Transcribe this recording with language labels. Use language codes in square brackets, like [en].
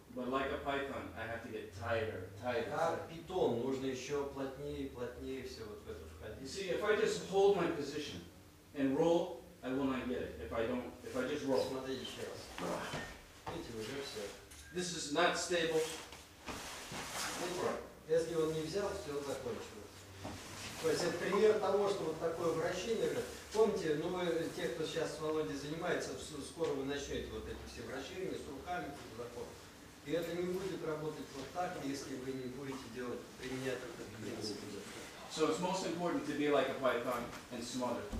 [en] But like a python, I have to get tighter, tighter. [ru] Как питон, нужно еще плотнее и плотнее все вот в это входить. [en] See, if I just hold my position and roll, I will not get it. If I just roll. [ru] Смотрите еще раз. Видите, уже все. [en] This is not stable. [ru] Если он не взял, все закончилось. То есть это пример того, что вот такое вращение. Помните, ну вы, те, кто сейчас с Володей занимается, скоро вы начнете вот эти все вращения с руками, с руками. И это не будет работать вот так, если вы не будете делать, применять этот принцип. [en] So it's most important to be like a python and smother.